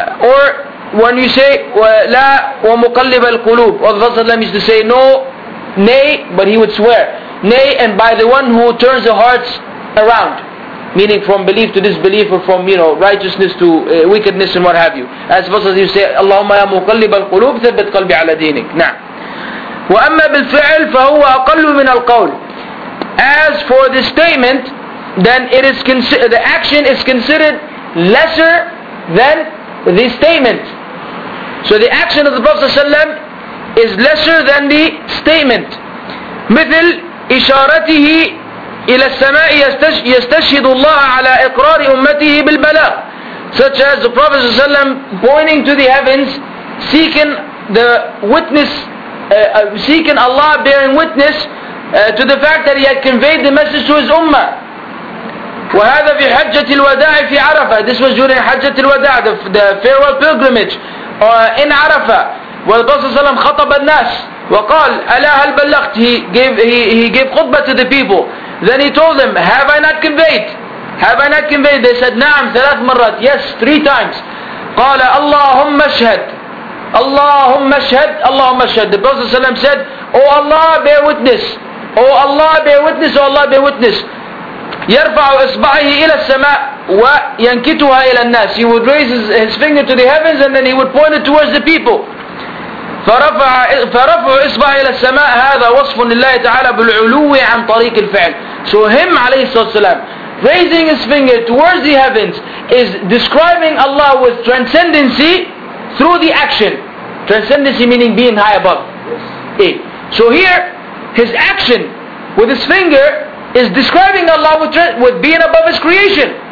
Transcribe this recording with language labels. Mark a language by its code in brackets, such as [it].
[en] Or when you say [ar] لا ومقلب القلوب, [en] or the Prophet used to say no, nay, but he would swear, nay, and by the one who turns the hearts around, meaning from belief to disbelief, or from, you know, righteousness to wickedness and what have you. As the Prophet used to say, [ar] اللهم يا مقلب القلوب ثبت قلبي على دينك. نعم. وأما بالفعل فهو أقل من القول. [en] As for the statement, then it is the action is considered lesser than the statement. So the action of the Prophet ﷺ is lesser than the statement. [ar] مثل إشارته إلى السماء يستشهد الله على إقرار أمته بالبلاغ. [en] Such as the Prophet ﷺ pointing to the heavens, seeking the witness, seeking Allah bearing witness to the fact that he had conveyed the message to his ummah. [ar] وهذا في حجة الوداع في عرفة. [en] This was during حجة الوداع, the farewell pilgrimage in عرفة. [ar] والرسول صلى الله عليه وسلم خطب الناس وقال ألا هل بلغت. [en] He gave خطبة to the people. Then he told them, Have I not conveyed? They said, [ar] نعم ثلاث مرات. [en] Yes, three times. [ar] قال اللهم اشهد. اللهم اشهد. اللهم اشهد. [en] The Prophet ﷺ said, Oh Allah, bear witness. Oh Allah, bear witness. Oh Allah, bear witness. [ar] يرفع إصبعه إلى السماء وينكتها إلى الناس. [en] He would raise his finger to the heavens and then he would point it towards the people. [ar] فرفع إصبعه إلى السماء هذا وصف لله تعالى بالعلو عن طريق الفعل. [en] So him [ar] عليه الصلاة والسلام [en] raising his finger towards the heavens is describing Allah with transcendency through the action. Transcendency meaning being high above. Yes. So here, his action with his finger is describing Allah with being above his creation.